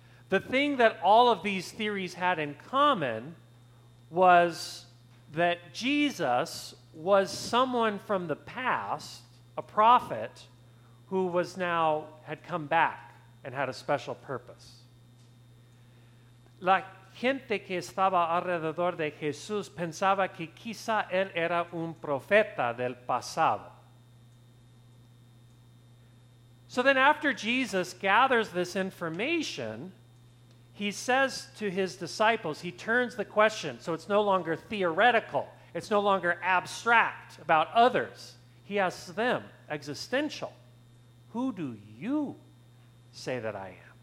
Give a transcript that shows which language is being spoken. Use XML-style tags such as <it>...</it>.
<en>The thing that all of these theories had in common was that Jesus was someone from the past, a prophet, who was now, had come back and had a special purpose.</en> <es>La gente que estaba alrededor de Jesús pensaba que quizá él era un profeta del pasado.</es> <en>So then after Jesus gathers this information, he says to his disciples, he turns the question, so it's no longer theoretical, it's no longer abstract about others. He asks them, existential, who do you say that I am?</en>